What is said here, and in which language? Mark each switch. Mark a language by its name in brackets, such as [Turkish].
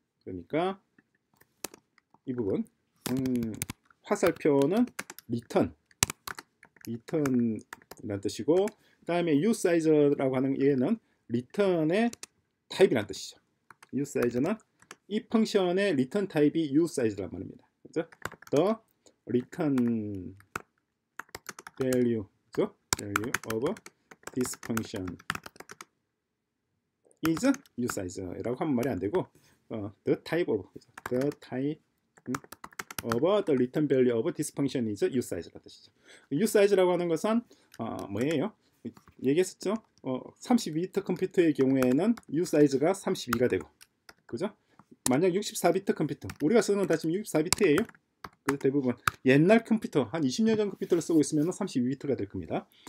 [Korean] 그러니까 이 부분 화살표는 return이란 뜻이고, 다음에 usize라고 하는 얘는 return의 type이란 뜻이죠. usize는 이 펑션의 return type이 usize란 말입니다. 그렇죠? 더 return value죠? [English] value of this function is usize 라고 하면 말이 안 되고 the type of, the type of the return value of this function is usize라는 뜻이죠. [Korean] usize라고 하는 것은 뭐예요? 얘기했었죠? 32비트 컴퓨터의 경우에는 usize가 32가 되고, 그죠? 만약 64비트 컴퓨터, 우리가 쓰는 건 다 지금 64비트예요. 대부분 옛날 컴퓨터 한 20년 전 컴퓨터를 쓰고 있으면 32비트가 될 겁니다.